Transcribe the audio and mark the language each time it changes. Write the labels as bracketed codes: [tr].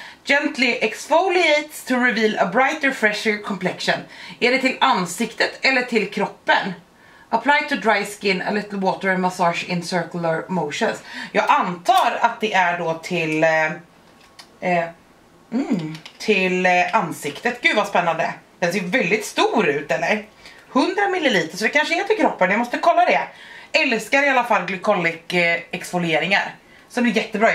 [en] Gently exfoliates to reveal a brighter, fresher complexion. [sv] Är det till ansiktet eller till kroppen? [en] Apply to dry skin, a little water and massage in circular motions. [sv] Jag antar att det är då till... till ansiktet. Gud vad spännande. Den ser väldigt stor ut, eller? 100 ml, så det kanske är till kroppen. Jag måste kolla det. Älskar i alla fall glycolic exfolieringar. Så det är jättebra.